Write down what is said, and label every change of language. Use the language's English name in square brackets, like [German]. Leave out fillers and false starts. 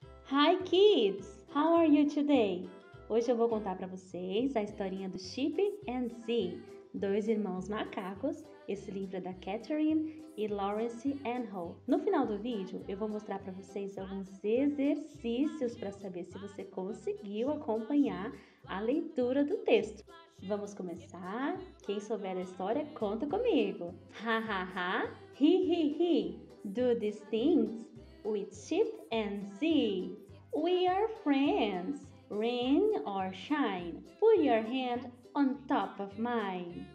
[English] Hi kids, how are you today? [Portuguese] Hoje eu vou contar para vocês a historinha do Chip and Zee, dois irmãos macacos. Esse livro é da Catherine e Lawrence Anhole. No final do vídeo, eu vou mostrar para vocês alguns exercícios para saber se você conseguiu acompanhar a leitura do texto. Vamos começar? Quem souber a história, conta comigo. [English] Ha ha ha, hi hi hi, do these things. With Chip and Zee, we are friends, rain or shine, put your hand on top of mine.